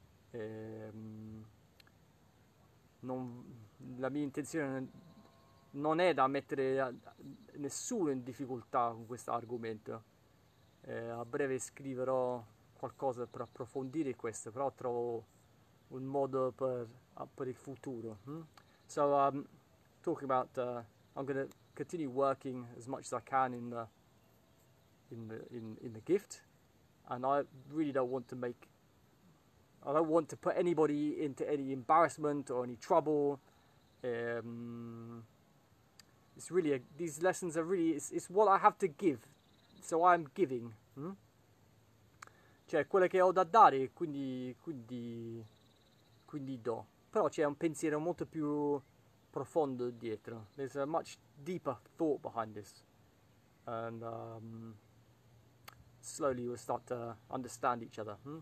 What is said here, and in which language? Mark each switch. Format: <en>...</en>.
<it>La mia intenzione non è da mettere nessuno in difficoltà con questo argomento. A breve scriverò qualcosa per approfondire questo, però trovo un modo per il futuro.</it> <en>So, talking about, I'm going to continue working as much as I can in the gift, and I really don't want to make, I don't want to put anybody into any embarrassment or any trouble. It's really these lessons are really it's what I have to give, so I'm giving.</en> <it>Cioè quello che ho da dare, quindi do. Però c'è un pensiero molto più profondo dietro.</it> <en>There's a much deeper thought behind this. And slowly we'll start to understand each other.</en>